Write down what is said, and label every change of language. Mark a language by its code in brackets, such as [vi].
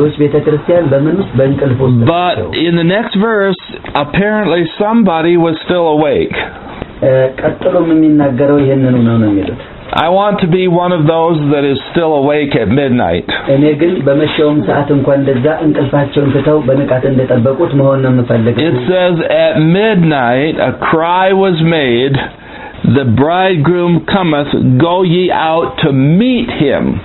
[en] But in the next verse, apparently somebody was still awake. [am] ቀጥሎ ምን ይናገራው ይሄንን ነው ነው የሚሉት [en] I want to be one of those that is still awake at midnight. [am] እኔ ግን በመሸውም ሰዓት እንኳን ደዛ እንቅልፋቸውን ትተው በንቃት እንደጠበቁት መሆን ነው የምፈልገው. [en] It says at midnight a cry was made, the bridegroom cometh, go ye out to meet him.